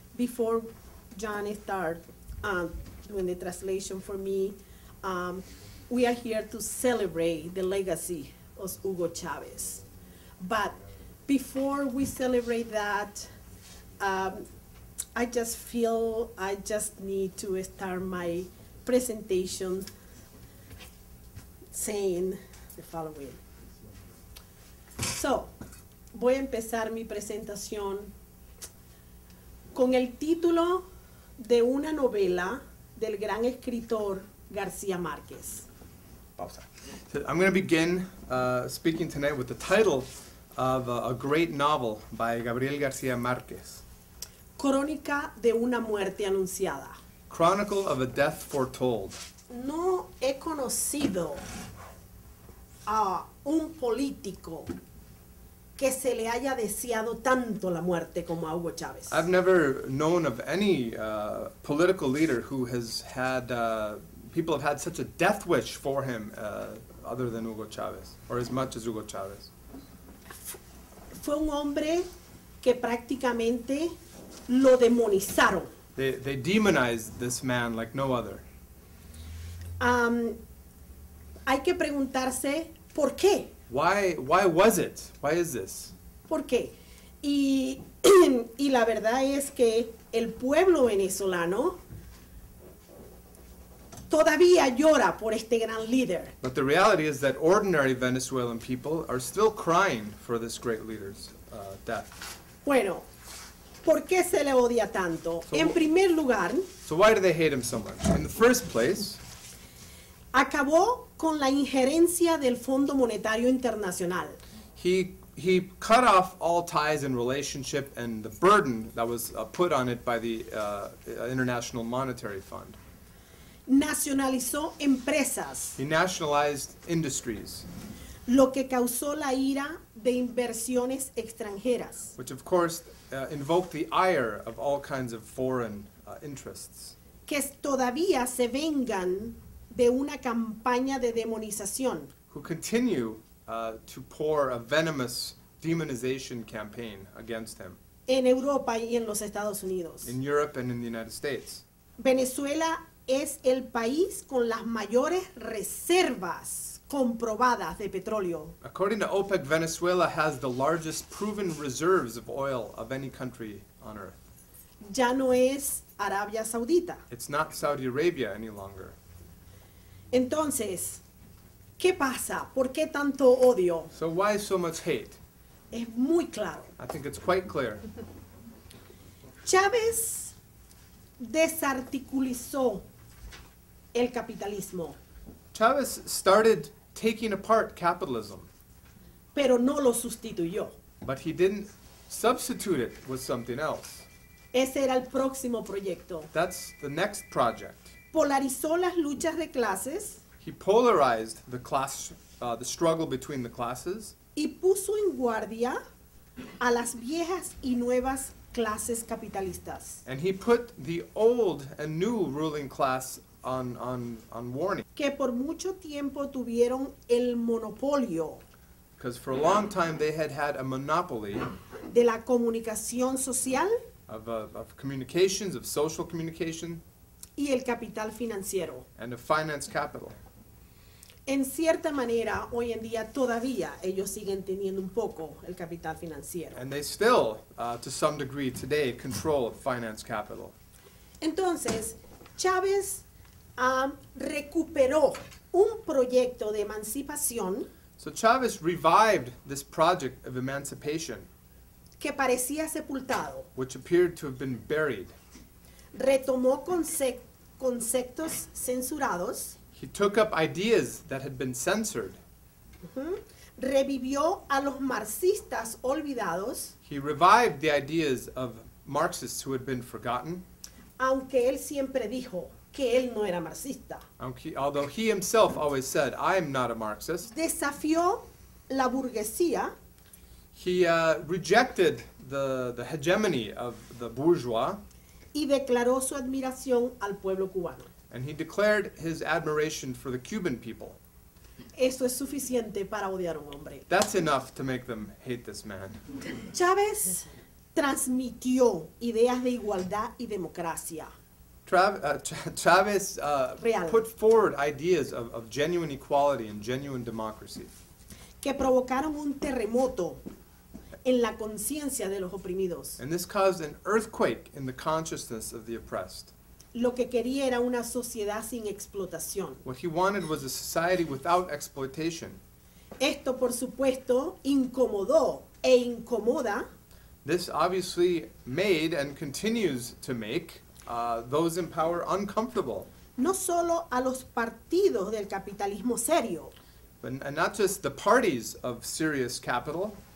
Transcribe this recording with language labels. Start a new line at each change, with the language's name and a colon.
English: Before John starts doing the translation for me, we are here to celebrate the legacy of Hugo Chavez. But before we celebrate that, I just feel I just need to start my presentation saying the following.
Spanish: So, voy a empezar mi presentación con el título de una novela del gran escritor García Márquez. Pausa.
English: I'm going to begin speaking tonight with the title of a great novel by Gabriel García Márquez.
Spanish: Crónica de una muerte anunciada.
English: Chronicle of a death foretold.
Spanish: No he conocido a un político que se le haya deseado tanto la muerte como a Hugo Chávez.
English: I've never known of any political leader who has had, people have had such a death wish for him other than Hugo Chávez, or as much as Hugo Chávez.
Spanish: Fue un hombre que prácticamente lo demonizaron.
English: They demonized this man like no other.
Spanish: Hay que preguntarse por qué.
English: Why was it? Why is this?
Spanish: ¿Por qué? Y y la verdad es que el pueblo venezolano todavía llora por este gran líder.
English: But the reality is that ordinary Venezuelan people are still crying for this great leader's death.
Spanish: Bueno, ¿por qué se le odia tanto? So, en primer lugar,
English: so why do they hate him so much? In the first place,
Spanish: acabó con la injerencia del Fondo Monetario Internacional.
English: He cut off all ties and relationship and the burden that was put on it by the International Monetary Fund.
Spanish: Nacionalizó empresas.
English: He nationalized industries.
Spanish: Lo que causó la ira de inversiones extranjeras.
English: Which of course invoked the ire of all kinds of foreign interests.
Spanish: Que todavía se vengan de una campaña de demonización.
English: Who continue to pour a venomous demonization campaign against him.
Spanish: En Europa y en los Estados Unidos.
English: In Europe and in the United States.
Spanish: Venezuela es el país con las mayores reservas comprobadas de petróleo.
English: According to OPEC, Venezuela has the largest proven reserves of oil of any country on earth.
Spanish: Ya no es Arabia Saudita.
English: It's not Saudi Arabia any longer.
Spanish: Entonces, ¿qué pasa? ¿Por qué tanto odio?
English: So why so much hate?
Spanish: Es muy claro.
English: I think it's quite clear.
Spanish: Chávez desarticulizó el capitalismo.
English: Chávez started taking apart capitalism.
Spanish: Pero no lo sustituyó.
English: But he didn't substitute it with something else.
Spanish: Ese era el próximo proyecto.
English: That's the next project.
Spanish: Polarizó las luchas de clases.
English: He polarized the class, the struggle between the classes.
Spanish: Y puso en guardia a las viejas y nuevas clases capitalistas.
English: And he put the old and new ruling class on warning.
Spanish: Que por mucho tiempo tuvieron el monopolio.
English: Because for a long time they had a monopoly.
Spanish: De la comunicación social.
English: Of communications, of social communication.
Spanish: Y el capital financiero.
English: And of finance capital.
Spanish: En cierta manera, hoy en día todavía ellos siguen teniendo un poco el capital financiero.
English: And they still, to some degree today, control of finance capital.
Spanish: Entonces, Chávez recuperó un proyecto de emancipación.
English: So Chávez revived this project of emancipation.
Spanish: Que parecía sepultado.
English: Which appeared to have been buried.
Spanish: Retomó conceptos censurados.
English: He took up ideas that had been censored.
Spanish: Uh-huh. Revivió a los marxistas olvidados.
English: He revived the ideas of Marxists who had been forgotten.
Spanish: Aunque él siempre dijo que él no era marxista.
English: Although he himself always said, I am not a Marxist.
Spanish: Desafió la burguesía.
English: He rejected the hegemony of the bourgeois.
Spanish: Y declaró su admiración al pueblo cubano.
English: And he declared his admiration for the Cuban people.
Spanish: Eso es suficiente para odiar a un hombre.
English: That's enough to make them hate this man.
Spanish: Chávez transmitió ideas de igualdad y democracia.
English: Chávez put forward ideas of genuine equality and genuine democracy.
Spanish: Que provocaron un terremoto en la conciencia de los oprimidos.
English: And this caused an earthquake in the consciousness of the oppressed.
Spanish: Lo que quería era una sociedad sin explotación.
English: What he wanted was a society without exploitation.
Spanish: Esto, por supuesto, incomodó e incomoda.
English: This obviously made and continues to make those in power uncomfortable.
Spanish: No solo a los partidos del capitalismo serio.
English: But, and not just the parties of serious capital.